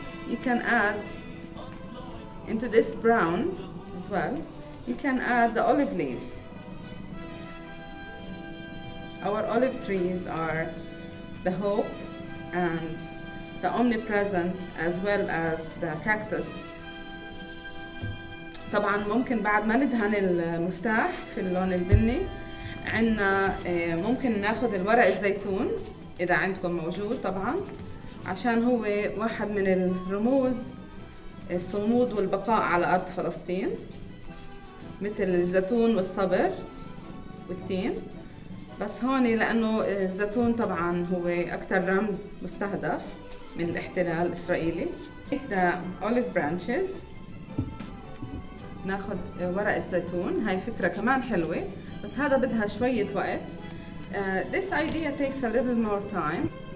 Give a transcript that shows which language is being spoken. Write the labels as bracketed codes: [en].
[en] You can add into this brown as well, you can add the olive leaves. Our olive trees are the hope and the omnipresent, as well as the cactus. [ar] طبعا ممكن بعد ما ندهن المفتاح في اللون البني عنا ممكن ناخذ الورق الزيتون اذا عندكم موجود طبعا, عشان هو واحد من الرموز الصمود والبقاء على ارض فلسطين, مثل الزيتون والصبر والتين. بس هون لانه الزيتون طبعا هو اكثر رمز مستهدف من الاحتلال الاسرائيلي. هذا olive branches. ناخذ ورق الزيتون. هاي فكره كمان حلوه بس هذا بدها شويه وقت. [en] This idea takes a little more time.